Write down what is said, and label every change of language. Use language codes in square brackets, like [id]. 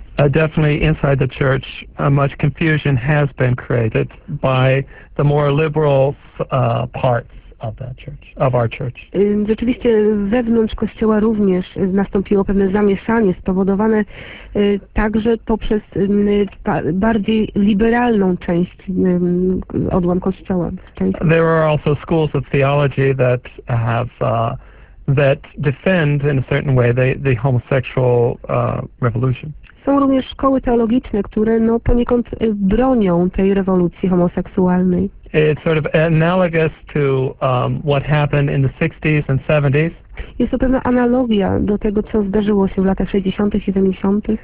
[en] Definitely inside the church, much confusion has been created by the more liberal parts of that church, of our church. [pl] Rzeczywiście wewnątrz kościoła również nastąpiło pewne zamieszanie spowodowane także poprzez bardziej liberalną część odłam kościoła. [en] There are also schools of theology that have that defend in a certain way the homosexual revolution. [pl] Są również szkoły teologiczne, które no poniekąd bronią tej rewolucji homoseksualnej. [en] It's sort of analogous to what happened in the 60s and 70s. [pl] Jest to pewna analogia do tego, co zdarzyło się w latach 60. i 70.